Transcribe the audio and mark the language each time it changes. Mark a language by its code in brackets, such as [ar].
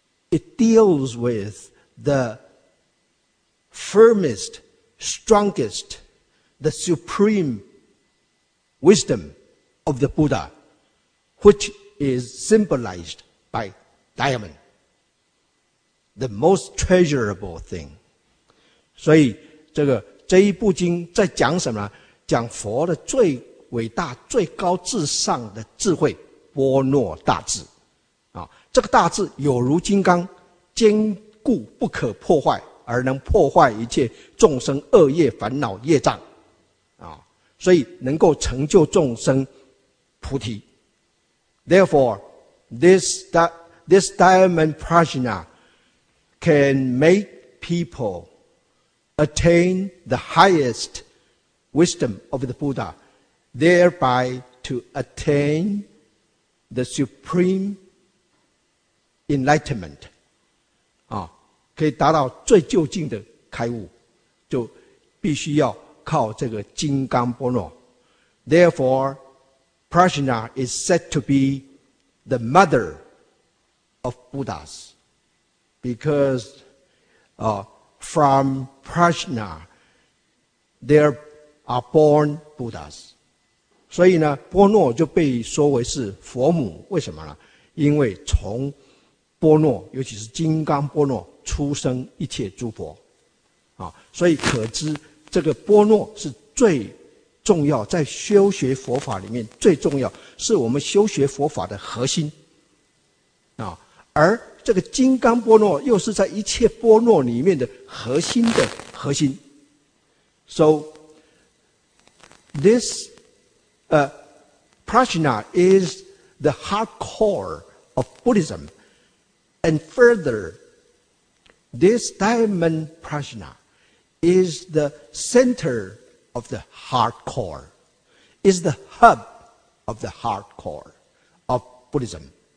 [en] It deals with the firmest, strongest, the supreme wisdom of the Buddha, which is symbolized by diamond, the most treasurable thing. [zh] 所以这个这一部经在讲什么？讲佛的最伟大、最高至上的智慧——波若大智。啊，这个大智有如金刚，坚固不可破坏，而能破坏一切众生恶业、烦恼、业障。啊，所以能够成就众生菩提。 [en] Therefore, this diamond prajna can make people attain the highest wisdom of the Buddha, thereby to attain the supreme enlightenment. [zh] 啊，可以达到最究竟的开悟，就必须要靠这个金刚波罗。 [en] Therefore, prajna is said to be the mother of Buddhas, because from prajna there are born Buddhas. [zh] 所以呢，波若就被说为是佛母。为什么呢？因为从波若，尤其是金刚波若出生一切诸佛啊。所以可知这个波若是最重要，在修学佛法里面最重要，是我们修学佛法的核心啊。而这个金刚波若又是在一切波若里面的核心的核心。 [en] So this prajna is the heart core of Buddhism, and further, this diamond prajna is the center of the heart core, is the hub of the heart core of Buddhism.